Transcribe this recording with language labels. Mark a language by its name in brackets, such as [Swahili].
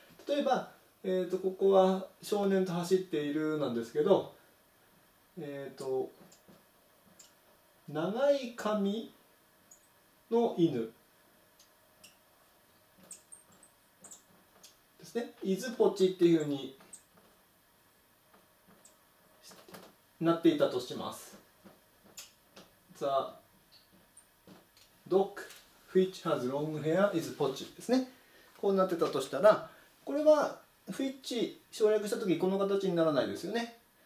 [Japanese] 例えば、ここは少年と走っているなんですけど、長い髪の犬ですね、イズポチっていう風になっていたとします。 [English] The dog which has long hair is pochi [Japanese] ですね。こうなってたとしたら、これは which 省略したときこの形にならないですよね。